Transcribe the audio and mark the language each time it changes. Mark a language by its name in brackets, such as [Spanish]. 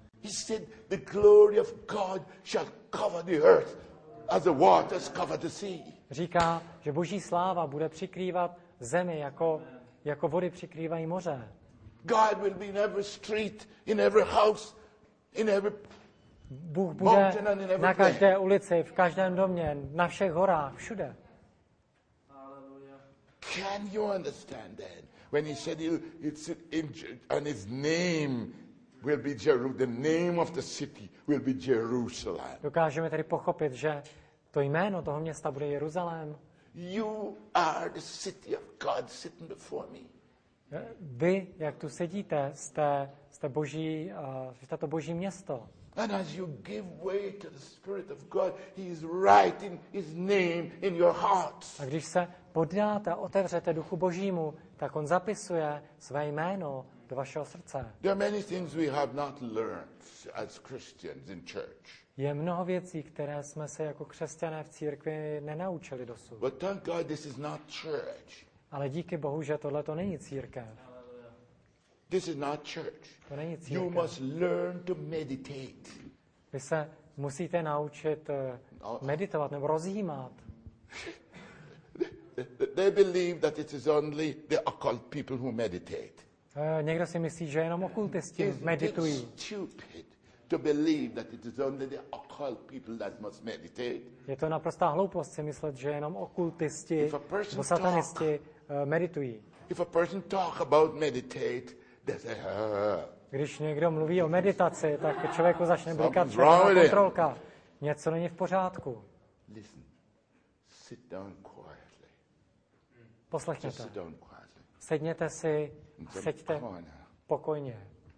[English] He said the glory of God shall cover the earth as the waters cover the sea. [Czech] Říká, že boží sláva bude přikrývat zemi, jako vody přikrývají moře. [English] God will be in every street, in every house, in every [Czech] Bůh bude na každé ulici, v každém domě, na všech horách, všude. [English] Can you understand that when he said it's injured and his name will be Jerusalem, the name of the city will be Jerusalem. [Czech] Dokážeme tedy pochopit, že to jméno toho města bude Jeruzalém. [English] You are the city of God sitting before me. [Czech] Vy, jak tu sedíte, jste boží, jste to boží město. [English] And as you give way to the Spirit of God, he is writing his name in your hearts. [Czech] A když se poddáte a otevřete Duchu Božímu, tak on zapisuje své jméno do vašeho srdce. [English] There are many things we have not learned as Christians in church. [Czech] Je mnoho věcí, které jsme se jako křesťané v církvi nenaučili dosud. [English] But thank God this is not church. [Czech] Ale díky Bohu, že tohle to není církev. [English] This is not church. [Czech] To není církev. [English] You must learn to meditate. [Czech] Vy se musíte naučit meditovat nebo rozjímat. [English] They believe that it is only the occult people who meditate. [Czech] Někdo si myslí, že jenom okultisti meditují. [English] It's stupid to believe that it is only the occult people that must meditate. [Czech] Je to naprostá hloupost si myslet, že jenom okultisti nebo satanisti meditují. [English] If a person talk about meditate, they say, [Czech] když někdo mluví o meditaci, tak člověku začne blikat červená kontrolka. Něco není v pořádku. [English] Listen. Sit down quietly. [Czech] Poslechněte. Sedněte si, seďte pokojně.